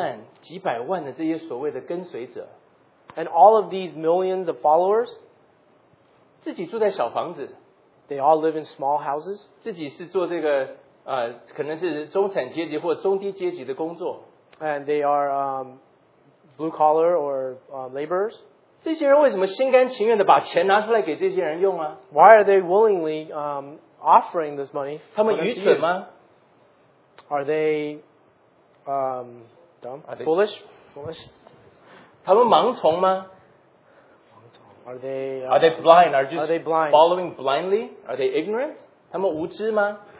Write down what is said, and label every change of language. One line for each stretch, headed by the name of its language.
Chinese: 这几万几百万的这些所谓的跟随者,
English: and all of these millions of followers,
Chinese: 自己住在小房子,
English: they all live in small houses.
Chinese: 自己是做这个 可能是中产阶级或中低阶级的工作,
English: and they are blue collar or laborers.
Chinese: 这些人为什么心甘情愿地把钱拿出来给这些人用啊?
English: Why are they willingly offering this money?
Chinese: 他们愚蠢吗?
English: Are they dumb? Are they foolish? Foolish?
Chinese: 他们盲从吗? 盲从.
English: Are they blind? Are they blind? Following blindly? Are they ignorant?
Chinese: 他们无知吗?